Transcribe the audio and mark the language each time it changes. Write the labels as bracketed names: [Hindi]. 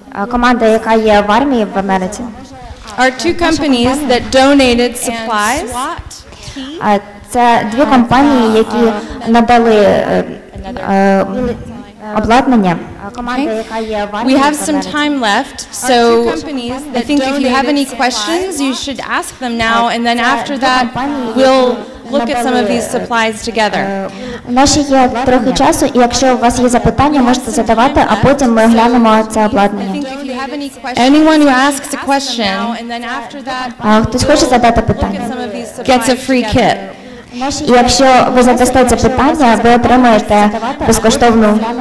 [Ukrainian] Команда, яка є в армії в Америці. [English] Are two companies that donated supplies. [Ukrainian] Це дві компанії, які надали обладнання. [English] Okay. We have some time left, so I think if you have any questions, you should ask them now, and then after that, we'll look at some of these supplies together. [Ukrainian] У нас є трохи часу, і якщо у вас є запитання, можете задавати, а потім ми оглянемо це обладнання. [English] Anyone who asks a question, [Ukrainian] хтось хоче задати питання, [English] gets a free kit. [Ukrainian] І якщо ви задасте це питання, ви отримаєте безкоштовну.